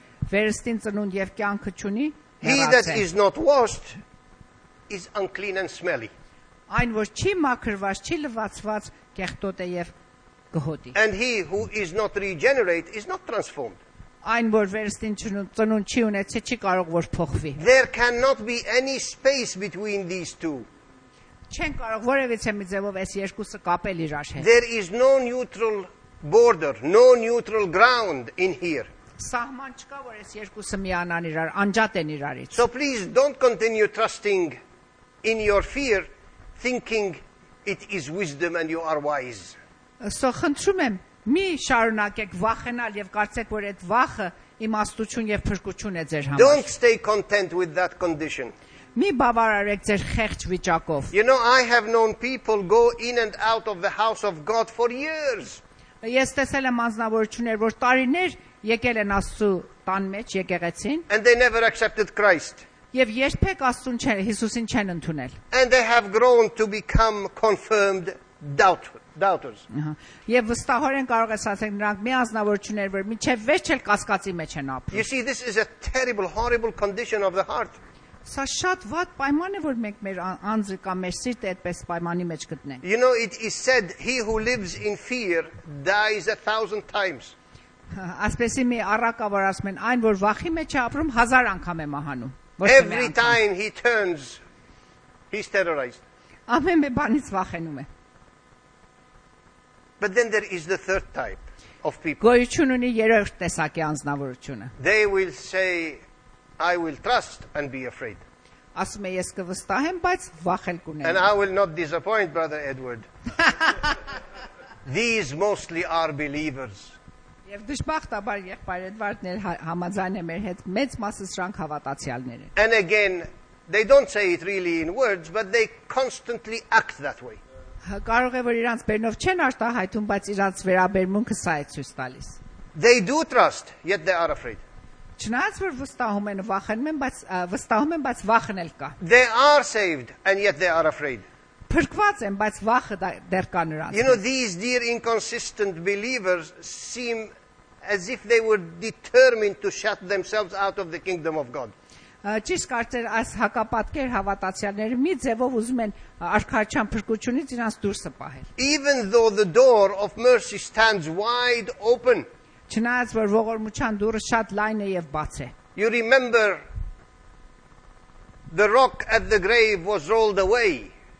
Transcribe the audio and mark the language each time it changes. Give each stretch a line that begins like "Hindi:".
Armenian: վերստին ծնունդ եւ կյանքը ունի,
English: He that is not washed is unclean and smelly.
Armenian: Այն որ չի մաքրված, չի լվացված, կեղտոտ է եւ գհոտի.
English: And he who is not regenerate is not transformed.
Armenian: Այն որ վերստին ծնունդ չի ունեցել, չի կարող որ փոխվի.
English: There cannot be any space between these two.
Armenian: Չեն կարող որևիցե մի ձևով այս երկուսը կապել իրար հետ.
English: There is no neutral border, no neutral ground in here.
Armenian: Սահման չկա, որ այս երկուսը միանան իրար, անջատ են իրարից.
English: So please don't continue trusting in your fear, thinking it is wisdom and you are wise.
Armenian: Սա խնդրում եմ, մի շարունակեք վախենալ եւ կարծեք, որ այդ վախը իմաստություն եւ փրկություն է ձեր համար.
English: Don't stay content with that condition.
Armenian: Մի բավարարեք ձեր խեղճ վիճակով.
English: You know, I have known people go in and out of the house of God for years.
Armenian: Ես տեսել եմ անձնավորություններ, որ տարիներ եկել են Աստու տան մեջ եկեղեցին.
English: And they never accepted Christ.
Armenian: Եվ երբեք Աստուն չեն, Հիսուսին չեն ընդունել.
English: And they have grown to become confirmed doubters.
Armenian: Եվ վստահորեն կարող ես ասել նրանք մի անձնավորություններ, որ մինչև վերջ էլ կասկածի մեջ են ապրում.
English: You see, this is a terrible, horrible condition of the heart.
Armenian: Սա շատ վատ պայման է, որ մենք մեր անձը կամ մեր սիրտը այդպես պայմանի մեջ գտնենք։
English: You know, it is said, he who lives in fear dies 1,000 times.
Armenian: Այսպես մի առակա որ ասում են, այն որ վախի մեջ է ապրում, 1000 անգամ է մահանում։
English: Every time he turns, he's terrorized.
Armenian: Ամեն մի բանից վախենում է։
English: But then there is the third type of people.
Armenian: Գոյություն ունի երրորդ տեսակի անձնավորությունը։
English: They will say, I will trust and be afraid.
Armenian: Ասում եմ ես կվստահեմ, բայց վախել կունենա։
English: And I will not disappoint brother Edward. These mostly are believers.
Armenian: Եվ դժբախտաբար եղբայր Էդվարդն էլ համաձայն է մեր հետ, մեծ մասը սրանք հավատացյալներ են։
English: And again, they don't say it really in words, but they constantly act that way.
Armenian: Կարող է որ իրancs բերնով չեն արտահայտում, բայց իրancs վերաբերմունքը սա է ցույց տալիս։
English: They do trust, yet they are afraid.
Armenian: Չնայած որ վստահում են, վախենում են, բայց վստահում են, բայց վախն էլ կա։
English: They are saved and yet they are afraid.
Armenian: Փրկված են, բայց վախը դեռ կա նրանց։
English: You know these dear inconsistent believers seem as if they were determined to shut themselves out of the kingdom of God.
Armenian: Ճիշտ կարծեր այս հակապատկեր հավատացյալները մի ձևով ուզում են արքայության փրկությունից իրենց դուրս պահել։
English: Even though the door of mercy stands wide open.
Armenian: Չնայած որ ողորմության դուրը շատ լայն է եւ բաց է։
English: You remember the rock at the grave was rolled away.